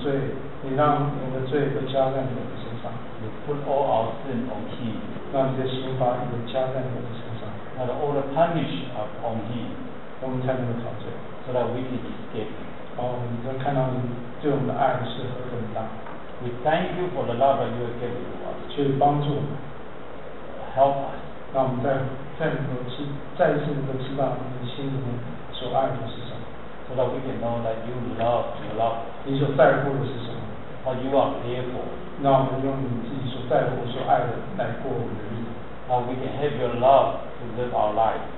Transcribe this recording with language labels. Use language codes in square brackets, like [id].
[zh] 你让你的罪都加在你的身上。 [en] You put all our sin on him. [zh] 让你的刑罚也加在你的身上。 [en] Let all the punishment on him. [zh] 我们才能够逃罪。 [en] So that we can escape. [zh] 我们能看到你对我们的爱是何等大。 [en] We thank you for the love that you have given to us. [zh] 去帮助我们。 [en] Help us. [zh] 让我们再一次能够知道我们心里面所爱的是什么。 [en] So that we can know that you love. [zh] 你所在乎的是什么？ [en] What you are here for. [zh] 那我们用你自己所在乎、所爱的来过我们的日子。 [en] How we can have your love to live our life.